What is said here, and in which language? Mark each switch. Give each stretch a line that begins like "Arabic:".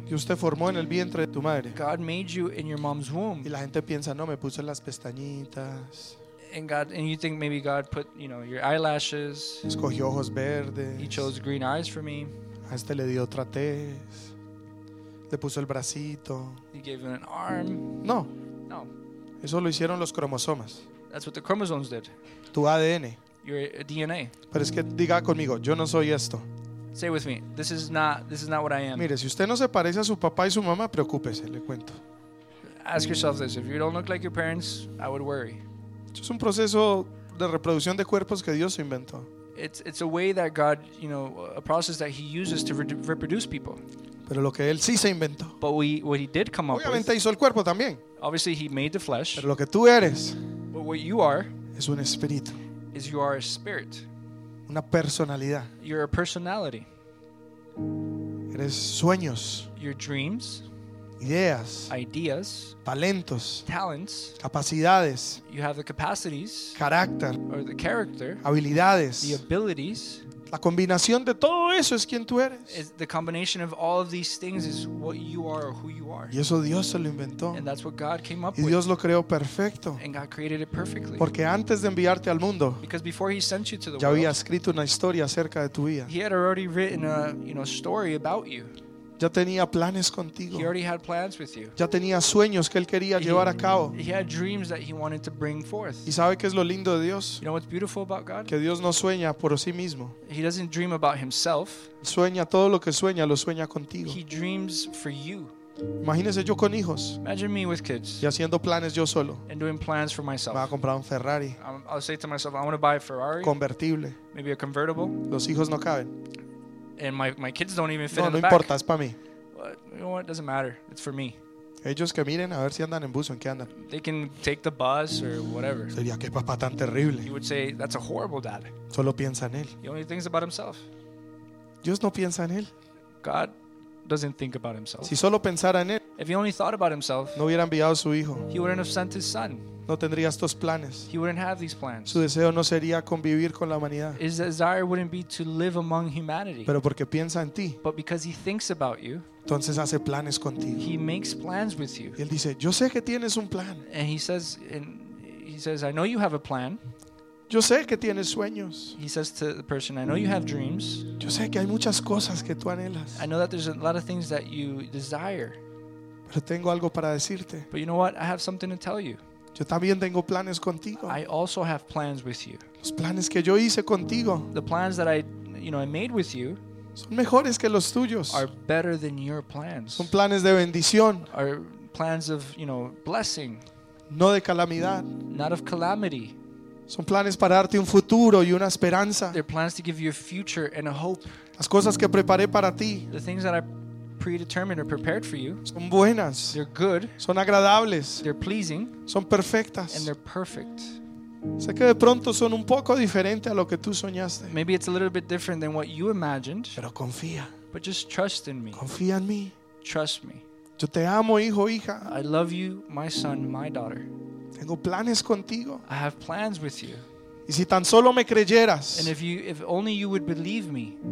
Spanish: Dios te formó en el vientre de tu madre.
English: God made you in your mom's womb.
Spanish: Y la gente piensa, no, me puso las pestañitas.
English: And God, and you think maybe God put, you know, your eyelashes.
Spanish: Escogió ojos verdes.
English: He chose green eyes for me.
Spanish: A este le dio otra tez. Le puso el bracito.
English: He gave him an arm.
Spanish: No.
English: No.
Spanish: Eso lo hicieron los cromosomas.
English: That's what the chromosomes did.
Spanish: Tu ADN.
English: Your DNA.
Spanish: Pero es que diga conmigo, yo no soy esto.
English: Say with me, this is not what I am.
Spanish: Mire, si usted no se parece a su papá y su mamá, preocúpese, le cuento.
English: Ask yourself this: if you don't look like your parents, I would worry.
Spanish: Esto es un proceso de reproducción de cuerpos que Dios inventó.
English: It's a way that God, you know, a process that He uses to reproduce people.
Spanish: Pero lo que él sí se inventó.
English: But what He did come up with.
Spanish: Obviamente hizo el cuerpo también.
English: Obviously He made the flesh.
Spanish: Pero lo que tú eres.
English: But what you are.
Spanish: Es un espíritu.
English: Is you are a spirit.
Spanish: Una personalidad.
English: You're a personality.
Spanish: Eres sueños.
English: Your dreams.
Spanish: Ideas.
English: Ideas.
Spanish: Talentos.
English: Talents.
Spanish: Capacidades.
English: You have the capacities.
Spanish: Carácter.
English: Or the character.
Spanish: Habilidades.
English: The abilities.
Spanish: La combinación de todo eso es quien tú eres.
English: It's the combination of all of these things is what you are or who you are.
Spanish: Y eso Dios se lo inventó.
English: And that's what God came up
Spanish: y Dios
English: with.
Spanish: Lo creó perfecto.
English: And God created it perfectly.
Spanish: Porque antes de enviarte al mundo,
English: because before He sent you to the world,
Spanish: ya había escrito una historia acerca de tu vida.
English: He had already written a, you know, story about you.
Spanish: Ya tenía planes contigo.
English: He already had plans with you.
Spanish: Ya tenía sueños que él quería llevar a cabo.
English: He had dreams that he wanted to bring forth.
Spanish: ¿Y sabe qué es lo lindo de Dios?
English: You know what's beautiful about God?
Spanish: Que Dios no sueña por sí mismo.
English: He doesn't dream about himself.
Spanish: Sueña todo lo que sueña, lo sueña contigo.
English: He dreams for you.
Spanish: Imagínese yo con hijos.
English: Imagine me with kids.
Spanish: Y haciendo planes yo solo.
English: And doing plans for myself.
Spanish: Me voy a comprar un Ferrari.
English: I'll say to myself, I want to buy a Ferrari.
Spanish: Convertible.
English: Maybe a convertible.
Spanish: Los hijos no caben.
English: And my kids don't even fit
Spanish: no,
English: in the
Spanish: no importa, Es para mí.
English: But, you know what? It doesn't matter. It's for me.
Spanish: Ellos que miren a ver si andan en bus o en qué andan.
English: They can take the bus or whatever.
Spanish: Sería qué papá tan terrible.
English: He would say, that's a horrible dad.
Spanish: Solo piensa en él.
English: He only thinks about himself.
Spanish: Dios no piensa en él.
English: God doesn't think about himself.
Spanish: Si solo pensara en él.
English: If he only thought about himself.
Spanish: No hubiera enviado su hijo.
English: He wouldn't have sent his son.
Spanish: No tendría estos planes.
English: He wouldn't have these plans.
Spanish: Su deseo no sería convivir con la humanidad.
English: His desire wouldn't be to live among humanity.
Spanish: Pero porque piensa en ti.
English: But because he thinks about you.
Spanish: Entonces hace planes contigo.
English: He makes plans with you.
Spanish: Y él dice, yo sé que tienes un plan.
English: And he says, I know you have a plan.
Spanish: Yo sé que tienes sueños.
English: He says to the person, I know you have dreams.
Spanish: Yo sé que hay muchas cosas que tú anhelas.
English: I know that there's a lot of things that you desire.
Spanish: Pero tengo algo para decirte.
English: But you know what? I have something to tell you.
Spanish: Yo también tengo planes contigo.
English: I also have plans with you.
Spanish: Los planes que yo hice contigo.
English: The plans that I, you know, I made with you.
Spanish: Son mejores que los tuyos.
English: Are better than your plans.
Spanish: Son planes de bendición.
English: Are plans of, you know, blessing.
Spanish: No de calamidad.
English: Not of calamity.
Spanish: Son planes para darte un futuro y una esperanza.
English: They're plans to give you a future and a hope.
Spanish: Las cosas que preparé para ti.
English: The things that I predetermined or prepared for you.
Spanish: Son buenas.
English: They're good.
Spanish: Son agradables.
English: They're pleasing.
Spanish: Son perfectas.
English: And they're perfect.
Spanish: Sé que de pronto son un poco diferente a lo que tú soñaste.
English: Maybe it's a little bit different than what you imagined.
Spanish: Pero confía.
English: But just trust in me.
Spanish: Confía en mí.
English: Trust me.
Spanish: Yo te amo, hijo, hija.
English: I love you, my son, my daughter.
Spanish: Tengo planes contigo.
English: I have plans with you.
Spanish: Y si tan solo me creyeras.
English: And if only you would believe me.